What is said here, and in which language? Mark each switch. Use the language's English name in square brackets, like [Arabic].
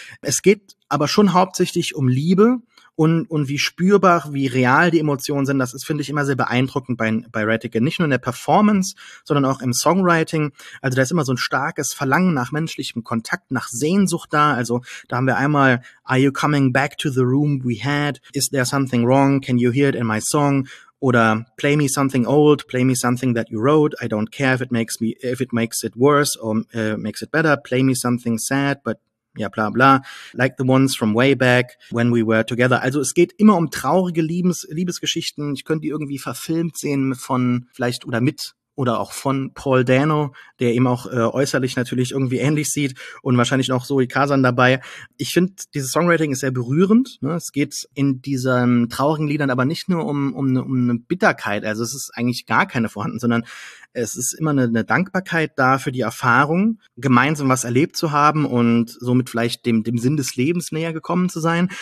[German] Es geht aber schon hauptsächlich um Liebe. Und wie spürbar, wie real die Emotionen sind, das ist, finde ich, immer sehr beeindruckend bei Rattigan. Nicht nur in der Performance, sondern auch im Songwriting. Also da ist immer so ein starkes Verlangen nach menschlichem Kontakt, nach Sehnsucht da. Also da haben wir einmal, [English] are you coming back to the room we had? Is there something wrong? Can you hear it in my song? [German] Oder [English] play me something old, play me something that you wrote. I don't care if it makes it worse or makes it better. Play me something sad, but ja, bla bla, like the ones from way back when we were together. [German] Also es geht immer um traurige Liebesgeschichten. Ich könnte die irgendwie verfilmt sehen von vielleicht oder mit oder auch von Paul Dano, der eben auch äußerlich natürlich irgendwie ähnlich sieht und wahrscheinlich noch Zoe Kazan dabei. Ich finde, dieses Songwriting ist sehr berührend. Ne? Es geht in diesen traurigen Liedern aber nicht nur um eine Bitterkeit, also es ist eigentlich gar keine vorhanden, sondern es ist immer eine Dankbarkeit da für die Erfahrung, gemeinsam was erlebt zu haben und somit vielleicht dem Sinn des Lebens näher gekommen zu sein.